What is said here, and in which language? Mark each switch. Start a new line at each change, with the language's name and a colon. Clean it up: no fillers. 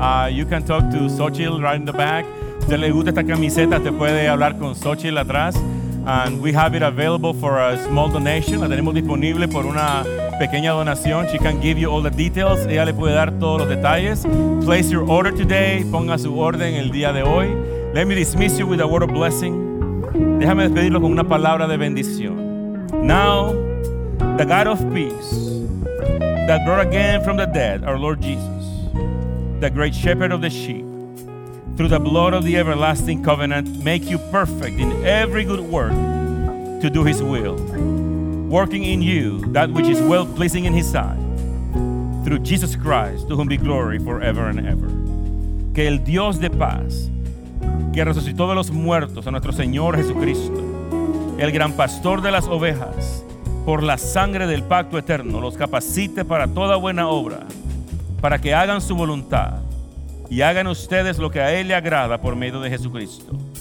English: You can talk to Xochitl right in the back.
Spanish: Si te le gusta esta camiseta, te puede hablar con Xochitl atrás.
English: And we have it available for a small donation.
Spanish: La tenemos disponible por una pequeña donación.
English: She can give you all the details.
Spanish: Ella le puede dar todos los detalles.
English: Place your order today.
Spanish: Ponga su orden el día de hoy.
English: Let me dismiss you with a word of blessing.
Spanish: Déjame despedirlo con una palabra de bendición.
English: Now, the God of peace that brought again from the dead, our Lord Jesus, the great shepherd of the sheep, through the blood of the everlasting covenant, make you perfect in every good work to do his will, working in you that which is well-pleasing in his sight, through Jesus Christ, to whom be glory forever and ever.
Spanish: Que el Dios de paz, que resucitó de los muertos a nuestro Señor Jesucristo, el gran pastor de las ovejas, por la sangre del pacto eterno, los capacite para toda buena obra, para que hagan su voluntad y hagan ustedes lo que a Él le agrada por medio de Jesucristo.